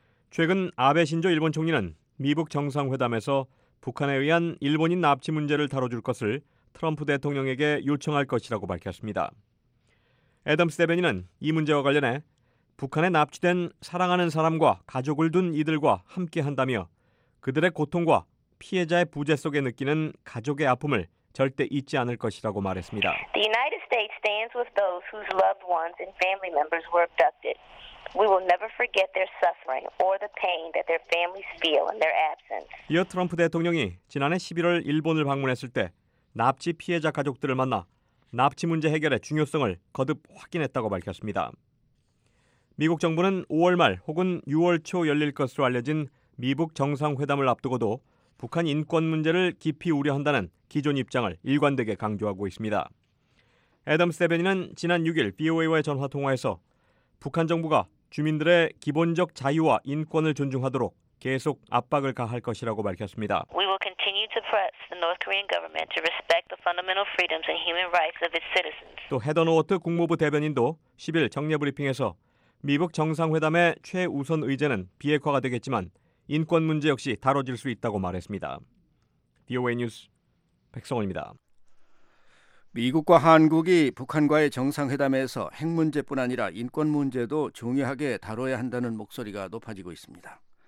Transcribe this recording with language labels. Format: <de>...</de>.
<ko>최근 아베 신조 일본 총리는 미북 정상회담에서 북한에 의한 일본인 납치 문제를 다뤄줄 것을 트럼프 대통령에게 요청할 것이라고 밝혔습니다. 애덤스 대변인은 이 문제와 관련해 북한에 납치된 사랑하는 사람과 가족을 둔 이들과 함께한다며 그들의 고통과 피해자의 부재 속에 느끼는 가족의 아픔을 절대 잊지 않을 것이라고 말했습니다.</ko> <en>The United States stands with those whose loved ones and family members were abducted. We will never forget their suffering or the pain that their families feel in their absence.</en> <ko>이어 트럼프 대통령이 지난해 11월 일본을 방문했을 때 납치 피해자 가족들을 만나 납치 문제 해결의 중요성을 거듭 확인했다고 밝혔습니다. 미국 정부는 5월 말 혹은 6월 초 열릴 것으로 알려진 미북 정상회담을 앞두고도 북한 인권 문제를 깊이 우려한다는 기존 입장을 일관되게 강조하고 있습니다. 애덤스 대변인은 지난 6일 BOA와의 전화 통화에서 북한 정부가 주민들의 기본적 자유와 인권을 존중하도록 계속 압박을 가할 것이라고 밝혔습니다.</ko> <en>We will continue to press the North Korean government to respect the fundamental freedoms and human rights of its citizens.</en> <ko>또 헤더 노워트 국무부 대변인도 10일 정례 브리핑에서 미북 정상회담의 최우선 의제는 비핵화가 되겠지만 인권 문제 역시 다뤄질 수 있다고 말했습니다. BOA 뉴스 백성원입니다. 미국과 한국이 북한과의 정상회담에서 핵 문제뿐 아니라 인권 문제도 중요하게 다뤄야 한다는 목소리가 높아지고 있습니다.</ko>